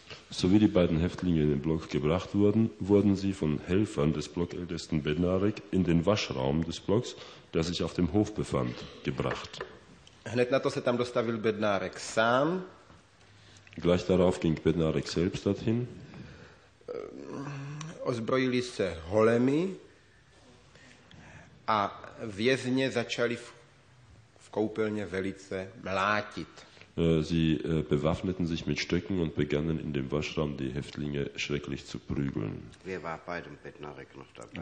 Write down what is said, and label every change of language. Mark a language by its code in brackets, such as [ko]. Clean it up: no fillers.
[de] So wie die beiden Häftlinge in den Block gebracht wurden, wurden sie von Helfern des Blockältesten Bednárek in den Waschraum des Blocks, der sich auf dem Hof befand, gebracht. [cs] Hned na to se tam dostavil Bednárek sám. [de] Gleich darauf ging Bednárek selbst dorthin. [cs] Ozbrojili se holemi a vězně začali v koupelně velice mlátit. [de] Sie bewaffneten sich mit Stöcken und begannen in dem Waschraum die Häftlinge schrecklich zu prügeln. Wer war bei dem Bednárek noch dabei?